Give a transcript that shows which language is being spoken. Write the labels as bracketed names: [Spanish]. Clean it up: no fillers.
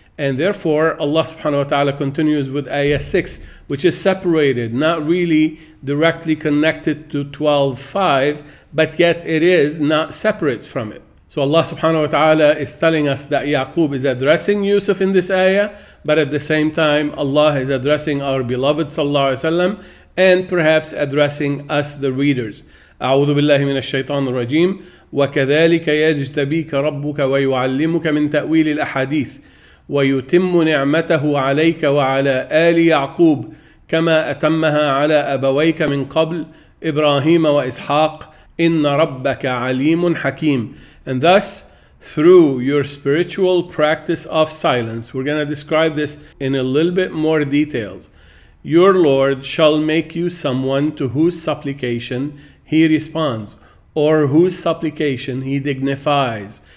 [English] And therefore, Allah subhanahu wa ta'ala continues with ayah 6, which is separated, not really directly connected to 12:5, but yet it is not separate from it. So Allah subhanahu wa ta'ala is telling us that Yaqub is addressing Yusuf in this ayah, but at the same time, Allah is addressing our beloved sallallahu alayhi wa sallam, and perhaps addressing us, the readers. [Arabic] أعوذ بالله من الشيطان الرجيم وكذلك يجتبيك ربك ويعلمك من تأويل الأحاديث ويتم نعمته عليك وعلى آل يعقوب كما أتمها على أبويك من قبل إبراهيم وإسحاق إن ربك عليم حكيم. [English] And thus, through your spiritual practice of silence, we're going to describe this in a little bit more details. Your Lord shall make you someone to whose supplication he responds, or whose supplication he dignifies.